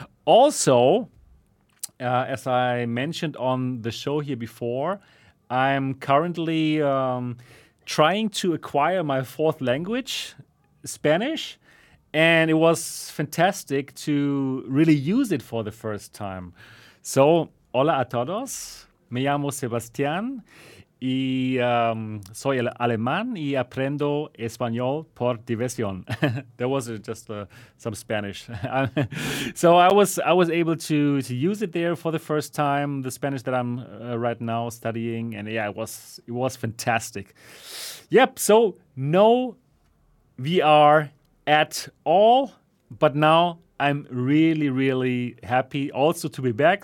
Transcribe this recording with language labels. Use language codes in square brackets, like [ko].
[en] Also, as I mentioned on the show here before, I'm currently trying to acquire my fourth language, Spanish, and it was fantastic to really use it for the first time. [es] So, hola a todos, me llamo Sebastián, y soy el alemán y aprendo español por diversión. [en] That was just some Spanish. So I was able to use it there for the first time, the Spanish that I'm right now studying. And yeah, it was fantastic. Yep, so no VR at all. But now I'm really, really happy also to be back.